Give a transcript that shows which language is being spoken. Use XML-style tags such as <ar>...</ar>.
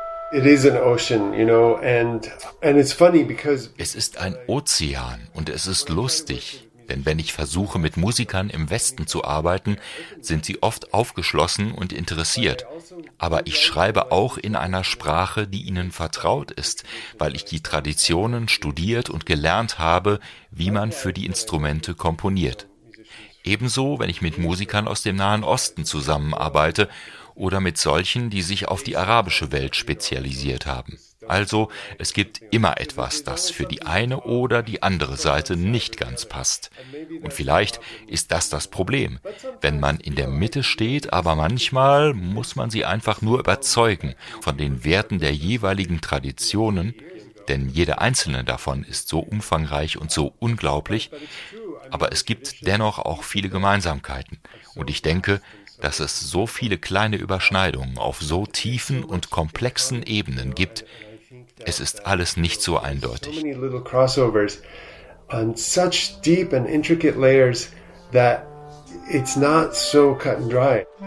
<en>It is an ocean, you know, and it's funny because</en> <de>es ist ein Ozean und es ist lustig. Denn wenn ich versuche, mit Musikern im Westen zu arbeiten, sind sie oft aufgeschlossen und interessiert. Aber ich schreibe auch in einer Sprache, die ihnen vertraut ist, weil ich die Traditionen studiert und gelernt habe, wie man für die Instrumente komponiert. Ebenso, wenn ich mit Musikern aus dem Nahen Osten zusammenarbeite oder mit solchen, die sich auf die arabische Welt spezialisiert haben. Also, es gibt immer etwas, das für die eine oder die andere Seite nicht ganz passt. Und vielleicht ist das das Problem, wenn man in der Mitte steht, aber manchmal muss man sie einfach nur überzeugen von den Werten der jeweiligen Traditionen, denn jede einzelne davon ist so umfangreich und so unglaublich, aber es gibt dennoch auch viele Gemeinsamkeiten. Und ich denke, dass es so viele kleine Überschneidungen auf so tiefen und komplexen Ebenen gibt, es ist alles nicht so eindeutig.</de> <en>So many little crossovers on such deep and intricate layers that it's not so cut and dry.</en>